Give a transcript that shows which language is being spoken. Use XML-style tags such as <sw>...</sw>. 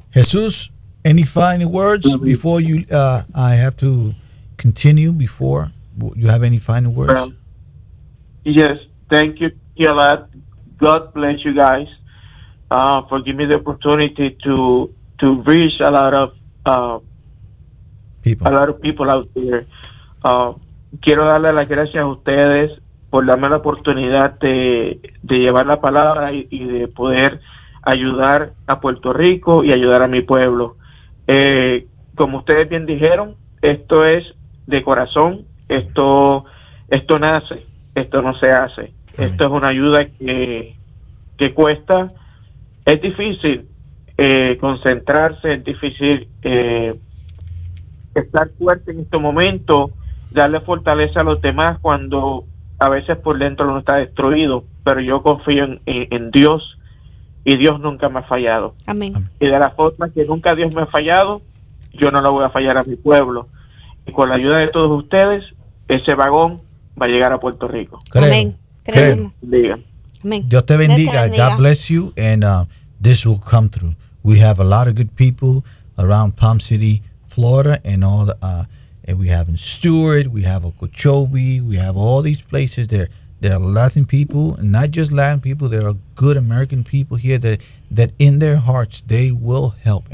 <en>Jesús, any final words before you, I have to continue before you have any final words? Yes, thank you a lot. God bless you guys for giving me the opportunity to reach a lot of people, a lot of people out there.</en> <es>Quiero darle las gracias a ustedes por darme la oportunidad de llevar la palabra y de poder ayudar a Puerto Rico y ayudar a mi pueblo. Como ustedes bien dijeron, esto es de corazón. Esto nace. Esto no se hace. Amén. Esto es una ayuda que cuesta. Es difícil concentrarse, es difícil estar fuerte en este momento, darle fortaleza a los demás cuando a veces por dentro uno está destruido. Pero yo confío en Dios y Dios nunca me ha fallado. Amén. Y de la forma que nunca Dios me ha fallado, yo no lo voy a fallar a mi pueblo. Y con la ayuda de todos ustedes, ese vagón va a llegar a Puerto Rico. Creo. Amén. Creemos. Amén. Dios te bendiga.</es> <en>God bless you, and this will come through. We have a lot of good people around Palm City, Florida, and all the and we have in Stewart, we have Okeechobee, we have all these places there. There are Latin people, and not just Latin people. There are good American people here that in their hearts they will help.</en>